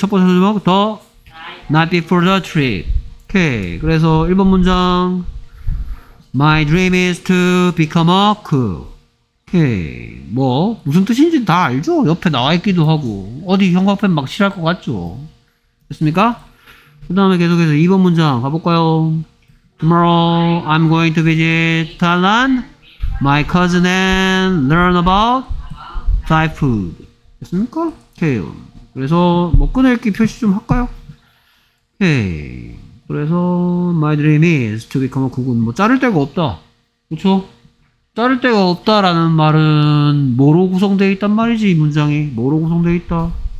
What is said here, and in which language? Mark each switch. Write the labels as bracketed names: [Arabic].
[Korean] 첫 번째 소제목 [English] The Night Before the Trip. [Korean] 오케이 그래서 1번 문장 [English] My dream is to become a cook. [Korean] 오케이 뭐 무슨 뜻인지 다 알죠. 옆에 나와있기도 하고 어디 형광펜 막 칠할 것 같죠. 됐습니까? 그 다음에 계속해서 2번 문장 가볼까요? [English] Tomorrow I'm going to visit Thailand, my cousin and learn about Thai food. [Korean] 됐습니까? 오케이 그래서 뭐 끊을기 표시 좀 할까요? 오케이 그래서 [English] my dream is to become a cook [Korean] 은 뭐 자를 데가 없다. 그렇죠? 자를 데가 없다라는 말은 뭐로 구성되어 있단 말이지 이 문장이 뭐로 구성되어 있다.